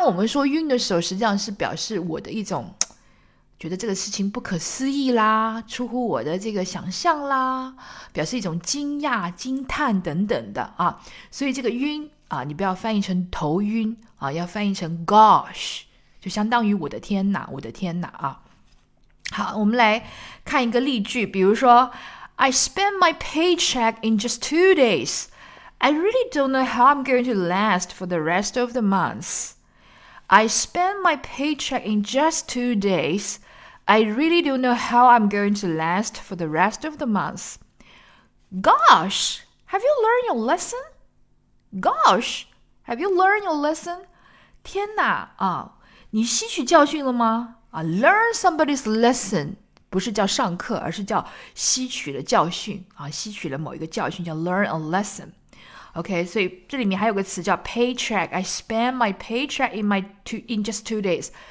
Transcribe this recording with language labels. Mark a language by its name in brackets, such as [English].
[Chinese] 当我们说晕的时候，实际上是表示我的一种觉得这个事情不可思议啦，出乎我的这个想象啦，表示一种惊讶、惊叹等等的啊。所以这个晕啊，你不要翻译成头晕啊，要翻译成 gosh，就相当于我的天呐，我的天呐啊。好，我们来看一个例句，比如说， [English] I spent my paycheck in just 2 days. I really don't know how I'm going to last for the rest of the month. I spent my paycheck in just 2 days. I really don't know how I'm going to last for the rest of the month. Gosh, have you learned your lesson? Gosh, have you learned your lesson? [Chinese] 天哪，啊，你吸取教训了吗？啊， [English] learn somebody's lesson [Chinese] 不是叫上课，而是叫吸取了教训啊，吸取了某一个教训叫 [English] learn a lesson。 [Chinese] OK，所以这里面还有个词叫 paycheck。 [English] I spend my paycheck in just 2 days。